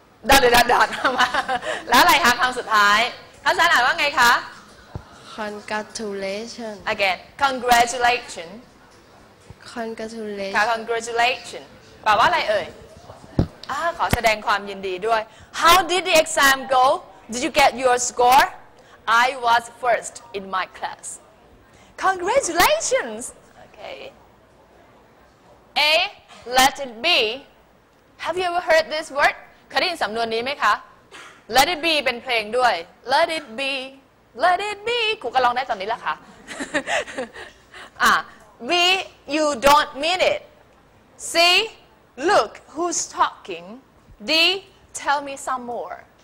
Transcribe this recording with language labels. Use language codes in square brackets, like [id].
[en] dot dot dot dot [th] มาแล้วอะไรคะคำสุดท้ายท่านอาจารย์ว่าไงคะ [en] congratulations again congratulations congratulations [th] congratulations แปลว่าอะไรเอ่ยขอแสดงความยินดีด้วย [en] How did the exam go? Did you get your scoreI was first in my class. Congratulations! Okay. A, let it be. Have you ever heard this word? [th] คดีนสำนวนนี้ไหมคะ [en] Let it be [th] เป็นเพลงด้วย [en] Let it be, let it be. [th] ครูก็ลองได้ตอนนี้แล้วค่ะ [en] B, you don't mean it. C, look who's talking. D, tell me some more.